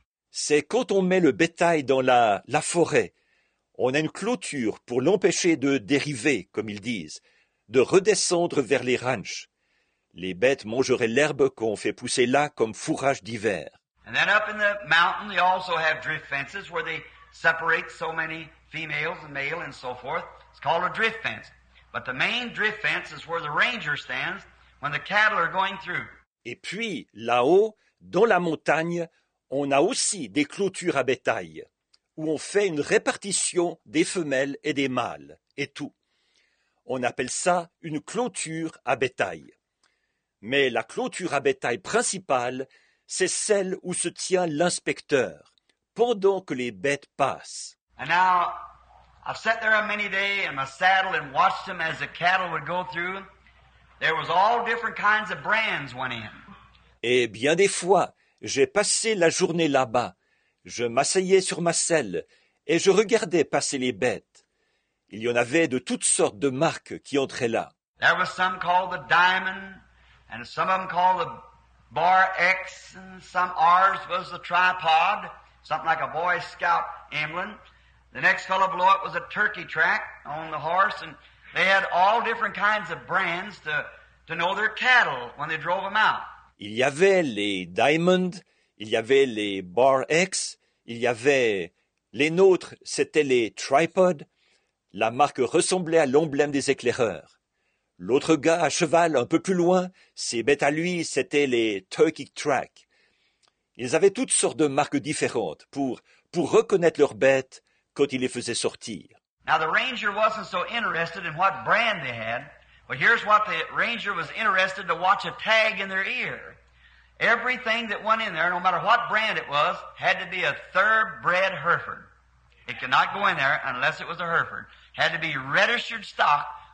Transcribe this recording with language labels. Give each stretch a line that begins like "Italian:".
French: C'est quand on met le bétail dans la forêt, on a une clôture pour l'empêcher de dériver, comme ils disent, de redescendre vers les ranchs. Les bêtes mangeraient l'herbe qu'on fait pousser là comme fourrage d'hiver.
English: And then up in the mountain, they also have drift fences where they separate so many females and male and so forth. It's called a drift fence. But the main drift fence is where the ranger stands when the cattle are going through.
French: Et puis, là-haut, dans la montagne, on a aussi des clôtures à bétail, où on fait une répartition des femelles et des mâles, et tout. On appelle ça une clôture à bétail. Mais la clôture à bétail principale, c'est celle où se tient l'inspecteur, pendant que les bêtes passent.
English: And now, I've sat there a many day in my saddle and watched them as the cattle would go through. There was all different kinds of brands went in.
French: Et bien des fois, j'ai passé la journée là-bas. Je m'asseyais sur ma selle et je regardais passer les bêtes. Il y en avait de toutes sortes de marques qui entraient là.
English: There was some called the Diamond, and some of them called the Bar X, and some ours was the tripod, something like a Boy Scout emblem. The next fellow below it was a turkey track on the horse, and they had all different kinds of brands to know their cattle when they drove them out.
French: Il y avait les Diamond, il y avait les Bar X, il y avait les nôtres, c'était les tripod. La marque ressemblait à l'emblème des éclaireurs. L'autre gars à cheval, un peu plus loin, ses bêtes à lui, c'était les Turkey Track. Ils avaient toutes sortes de marques différentes pour reconnaître leurs bêtes quand ils les faisaient sortir.
English: Now the ranger wasn't so interested in what brand they had, but here's what the ranger was interested to watch a tag in their ear. Everything that went in there, no matter what brand it was, had to be a thoroughbred Hereford. It could not go in there unless it was a Hereford. Had to be registered stock.